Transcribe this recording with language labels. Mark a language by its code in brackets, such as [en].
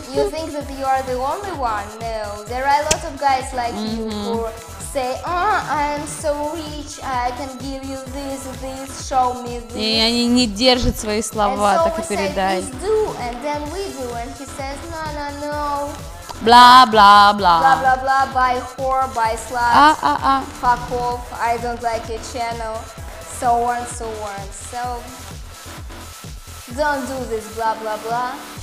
[en] You think that you are the only one? No, there are a lot of guys like you who say, oh, I am so rich, I can give you this, this, show me this. [ru] И они не держат свои слова, [en] and [ru] так [en] so [ru] и передай. [en] And so we say, do, and then we do, and he says, no, no, no. Бла, бла, бла. Бла, бла, бла, buy whore, buy slut. А, а, а. Fuck off, I don't like your channel. So on, so on, so... Don't do this, blah, blah, blah.